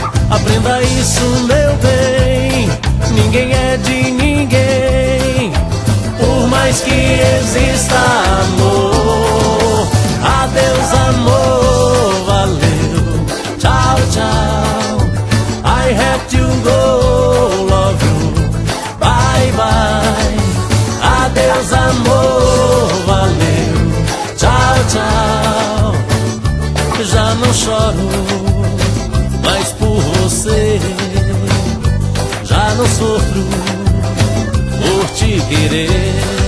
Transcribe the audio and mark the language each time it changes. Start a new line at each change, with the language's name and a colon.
Portuguese: Aprenda isso, meu bem, ninguém é de ninguém, por mais que exista amor. Adeus amor, valeu, tchau tchau,
English: I had to go, love you, bye bye.
Portuguese: Adeus amor, valeu, tchau tchau, já não choro mais por você, já não sofro por te querer.